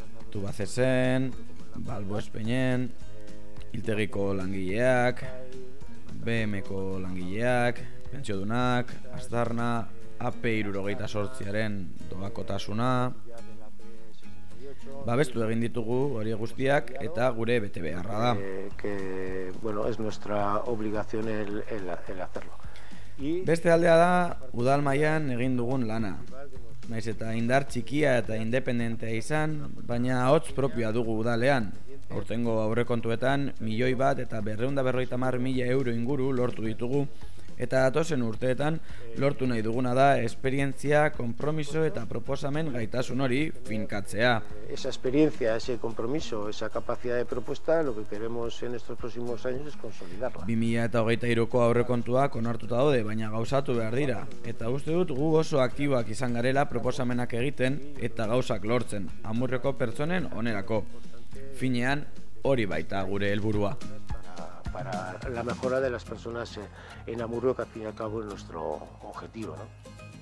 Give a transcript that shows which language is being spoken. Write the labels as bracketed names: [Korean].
[Basque] Tubacexen, Balboespeinen, Hiltegiko langileak, BM-ko langileak, pentsiodunak, Aztarna, AP68-aren doakotasuna, babestu egin ditugu hori guztiak eta gure bete beharra da. [Spanish] Que bueno, es nuestra obligación el hacerlo. [Basque] Beste aldea da udal mailan egin dugun lana. Naiz eta indar txikia eta independentea izan, baina ahots propioa dugu udalean. Aurtengo aurrekontuetan 1,250,000 € inguru lortu ditugu eta datozen urteetan lortu nahi duguna da esperientzia, konpromiso eta proposamen gaitasun hori finkatzea. [Spanish] Esa experiencia, ese compromiso, esa capacidad de propuesta, lo que queremos en estos próximos años es consolidarla. [Basque] 2023ko aurrekontuak onartuta daude, baina gauzatu behar dira. Eta uste dut gu oso aktiboak izan garela proposamenak egiten eta gauzak lortzen, Amurreko pertsonen onerako. Finean, hori baita gure helburua. [Spanish] Para la mejora de las personas en Amurrio, que al fin y al cabo es nuestro objetivo, ¿no?